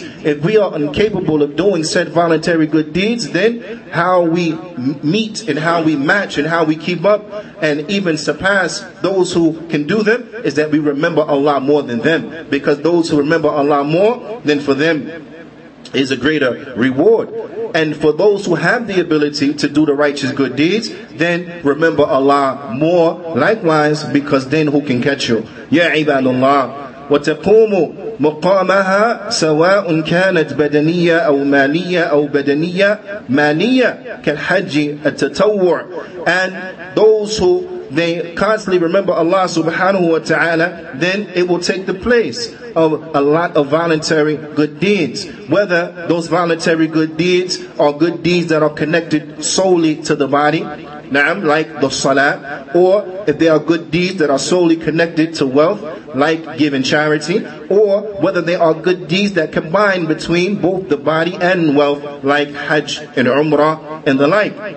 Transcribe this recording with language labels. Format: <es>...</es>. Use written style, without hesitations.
<en>If we are incapable of doing said voluntary good deeds, then how we meet and how we match and how we keep up and even surpass those who can do them is that we remember Allah more than them. Because those who remember Allah more, then for them is a greater reward. And for those who have the ability to do the righteous good deeds, then remember Allah more likewise, because then who can catch you?</en> <ar>Ya ibadullah. وتقوم مقامها سواء كانت بدنية أو مالية أو بدنية مالية كالحج التطوع.</ar> <en>And those who they constantly remember Allah subhanahu wa ta'ala, then it will take the place of a lot of voluntary good deeds. Whether those voluntary good deeds are good deeds that are connected solely to the body, na'am, like the salah, or if they are good deeds that are solely connected to wealth, like giving charity, or whether they are good deeds that combine between both the body and wealth, like hajj and umrah and the like.</en>